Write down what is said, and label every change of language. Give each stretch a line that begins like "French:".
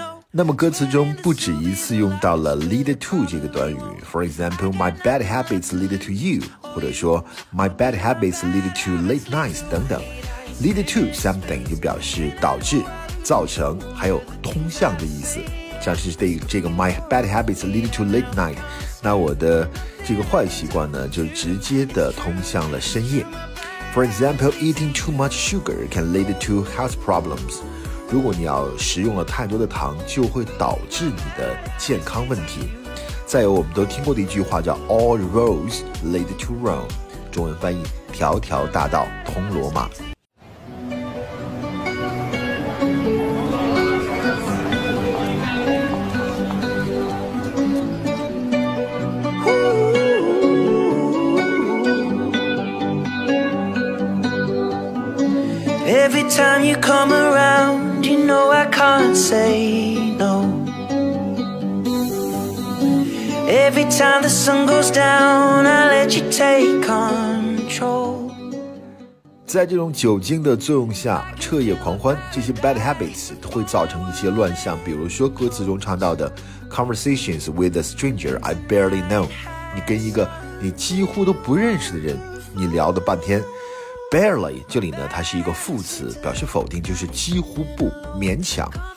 Chinese: 那么歌词中不止一次用到了 lead to 这个短语， For example,
English: my bad habits lead to you，
Chinese: 或者说
English: my bad habits lead to late nights
Chinese: 等等。 lead to something 就表示导致造成还有通向的意思，像是这个
English: my bad habits lead to late night，
Chinese: 那我的这个坏习惯呢就直接的通向了深夜。
English: For example, eating too much sugar can lead to health problems，
Chinese: 如果你要食用了太多的糖就会导致你的健康问题。再有我们都听过的一句话叫
English: All roads lead to Rome，
Chinese: 中文翻译条条大道通罗马。
English: Every time you come around, you know I can't say no. Every time the sun goes down, I let you take control.
Chinese: 在这种酒精的作用下，彻夜狂欢，这些 bad habits 会造成一些乱象，比如说歌词中唱到的
English: conversations with a stranger I barely know，
Chinese: 你跟一个你几乎都不认识的人，你聊了半天。 Barely 这里呢它是一个副词表示否定，就是几乎不勉强。